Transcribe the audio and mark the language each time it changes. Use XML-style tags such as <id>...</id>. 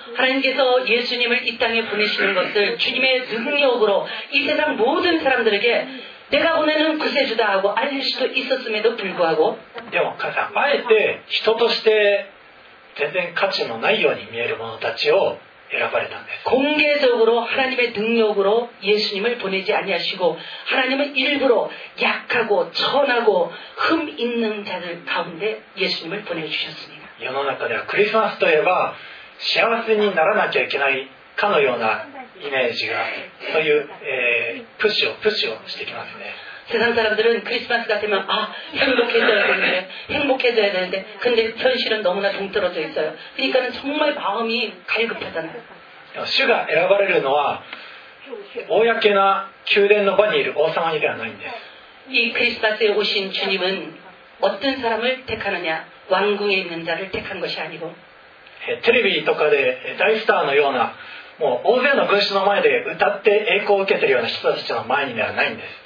<ko>하나님께서 예수님을 이 땅에 보내시는 것을 주님의 능력으로 이 세상 모든 사람들에게 내가 보내는 구세주다 하고 알릴 수도 있었음에도 불구하고</ko> <ja>でも神様あえて人として全然価値のないように見える者たちを選ばれたんです。</ja> <ko>공개적으로하나님의능력으로예수님을보내지아니하시고하나님은일부러약하고천하고흠있는자들가운데예수님을보내주셨습니다。</ko> <ja>世の中ではクリスマスといえば幸せにならなきゃいけないかのようなイメージが、そういう、プッシュをしてきますね。</ja> <ko>세상사람들은크리스마스가되면아행복해져야되는데행복해져야되는데근데현실은너무나동떨어져있어요그러니까는정말마음이갈급하잖아요</ko> <ja>主が選ばれるのは公な宮殿の場にいる王様にではないんです。</ja> <ko>이크리스마스에오신주님은어떤사람을택하느냐왕궁에있는자를택한것이아니고</ko> <ja>テレビとかで大スターのようなもう大勢の群衆の前で歌って栄光を受けているような人たちの前にではないんです。</ja>